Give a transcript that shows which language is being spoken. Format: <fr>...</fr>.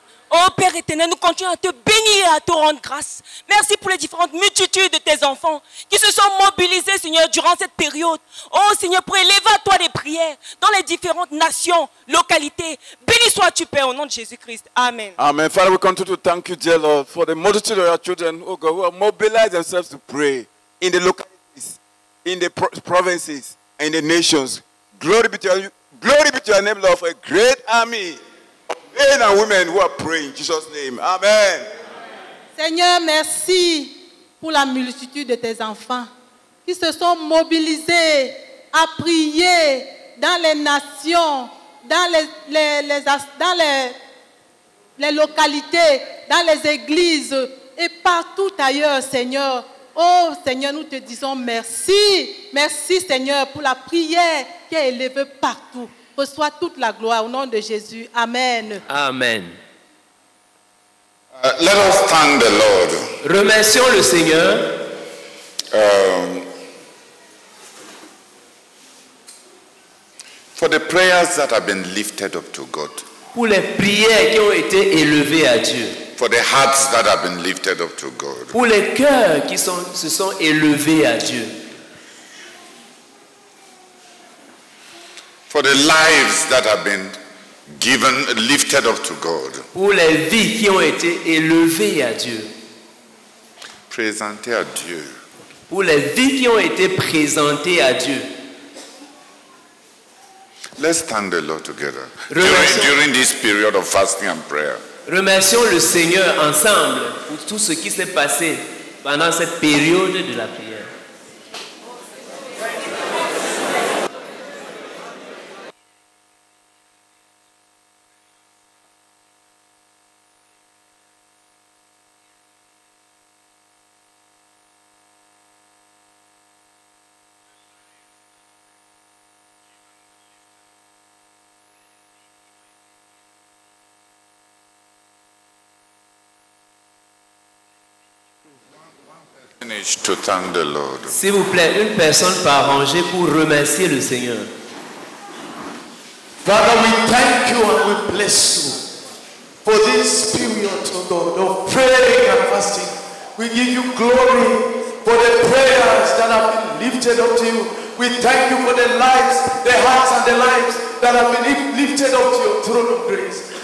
<fr>Ô Père éternel, nous continuons à te bénir et à te rendre grâce. Merci pour les différentes multitudes de tes enfants qui se sont mobilisés, Seigneur, durant cette période. Ô Seigneur, pour élever à toi les prières dans les différentes nations, localités. Béni sois-tu, Père, au nom de Jésus-Christ. Amen. Amen.</fr> <en>Father, we continue to thank you, dear Lord, for the multitude of your children, oh God, who have mobilized themselves to pray in the localities, in the provinces, in the nations. Glory be to you. Glory be to your name, Lord, for a great army. Men and women who are praying in Jesus' name. Amen.</en> <fr>Seigneur, merci pour la multitude de tes enfants qui se sont mobilisés à prier dans les nations, dans les localités, dans les églises et partout ailleurs, Seigneur. Oh Seigneur, nous te disons merci. Merci Seigneur pour la prière qui est élevée partout. Reçois toute la gloire au nom de Jésus. Amen. Amen.</fr> <en>Let us thank the Lord.</en> <fr>Remercions le Seigneur.</fr> <en>For the prayers that have been lifted up to God.</en> <fr>Pour les prières qui ont été élevées à Dieu.</fr> <en>For the hearts that have been lifted up to God.</en> <fr>Pour les cœurs qui se sont élevés à Dieu.</fr> <en>For the lives that have been given, lifted up to God.</en> <fr>Pour les vies qui ont été élevées à Dieu. Présentées à Dieu. Pour les vies qui ont été présentées à Dieu.</fr> <en>Let's thank the Lord together. During this period of fasting and prayer.</en> <fr>Remercions le Seigneur ensemble pour tout ce qui s'est passé pendant cette période de la prière.</fr> <en>To thank the Lord.</en> <fr>S'il vous plaît, une personne par rangée pour remercier le Seigneur.</fr> <en>Father, we thank you and we bless you for this period, oh God, of praying and fasting. We give you glory for the prayers that have been lifted up to you. We thank you for the lives, the hearts and the lives that have been lifted up to your throne of grace.</en>